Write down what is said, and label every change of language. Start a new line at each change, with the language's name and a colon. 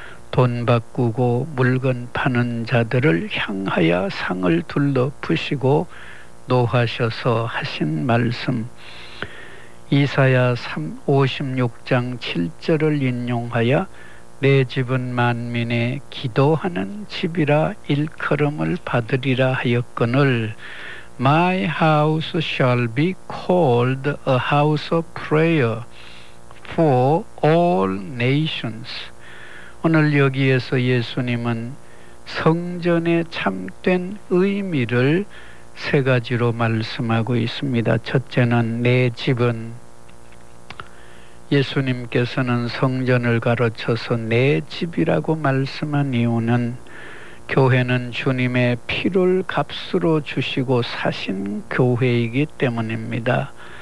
Korean: 돈 바꾸고 물건 파는 자들을 향하여 상을 둘러 푸시고 노하셔서 하신 말씀 이사야 56장 7절을 인용하여 내 집은 만민의 기도하는 집이라 일컬음을 받으리라 하였거늘
English: My house shall be called a house of prayer for all nations.
Korean: 오늘 여기에서 예수님은 성전의 참된 의미를 세 가지로 말씀하고 있습니다. 첫째는 내 집은, 예수님께서는 성전을 가르쳐서 내 집이라고 말씀한 이유는 교회는 주님의 피를 값으로 주시고 사신 교회이기 때문입니다.